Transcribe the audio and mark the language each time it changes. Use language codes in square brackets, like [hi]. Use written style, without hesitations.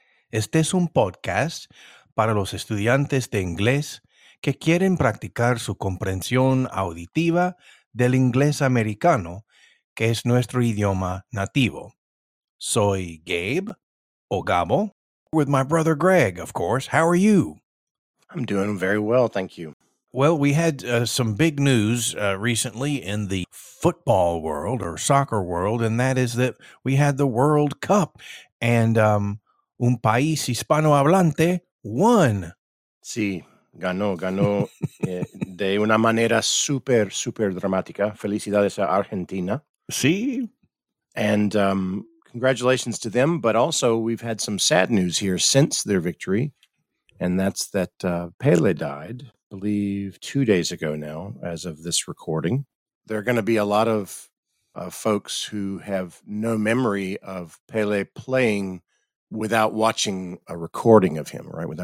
[es] Este es un podcast para los estudiantes de inglés que quieren practicar su comprensión auditiva del inglés americano, que es nuestro idioma nativo. Soy Gabe, o Gabo, with my brother Greg, of course. [en] How are you? I'm doing very well, thank you. Well, we had some big news recently in the football world or soccer world, and that is that we had the World Cup, and un país hispanohablante won. [es] Sí, ganó de una manera super, super dramática. Felicidades a Argentina. Sí. [en] And congratulations to them, but also we've had some sad news here since their victory, and that's that Pele died. I believe 2 days ago now, as of this recording. There are going to be a lot of folks who have no memory of Pele playing without watching a recording of him, right?